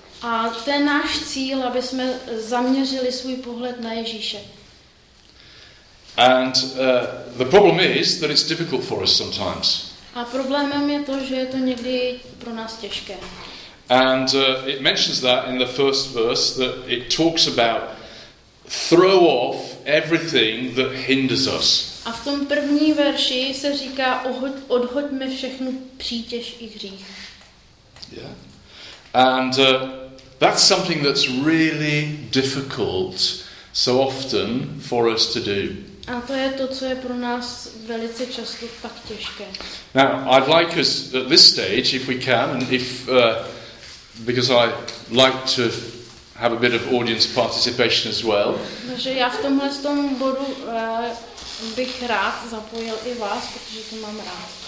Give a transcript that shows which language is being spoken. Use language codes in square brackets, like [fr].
[cs] A to je náš cíl, aby jsme zaměřili svůj pohled na Ježíše. [en] And the problem is that it's difficult for us sometimes. [cs] A problémem je to, že je to někdy pro nás těžké. [en] And it mentions that in the first verse that it talks about throw off everything that hinders us. [cs] A v tom první verši se říká odhoďme všechnu přítěž i hřích. [en] Yeah. And that's something that's really difficult so often for us to do. [cs] A to je to, co je pro nás velice často tak těžké. [en] Now, I'd like us at this stage if we can and if because I like to have a bit of audience participation as well. [cs] Takže já v tomhle bodu bych rád zapojil i vás, protože to mám rád.